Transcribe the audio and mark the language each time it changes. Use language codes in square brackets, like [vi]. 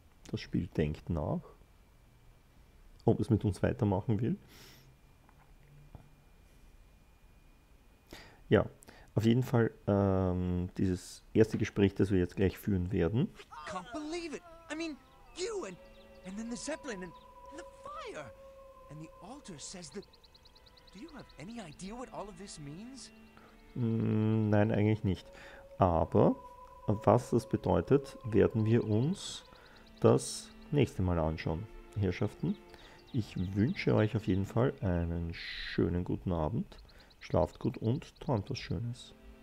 [de] Das Spiel denkt nach, ob es mit uns weitermachen will. Ja, auf jeden Fall dieses erste Gespräch, das wir jetzt gleich führen werden. Ich kann es nicht glauben. Ich meine, du und... [en] And then the zeppelin and the fire and the altar says that. Do you have any idea what all of this means? [de] Nein, eigentlich nicht. Aber was das bedeutet, werden wir uns das nächste Mal anschauen, Herrschaften. Ich wünsche euch auf jeden Fall einen schönen guten Abend. Schlaft gut und träumt was Schönes.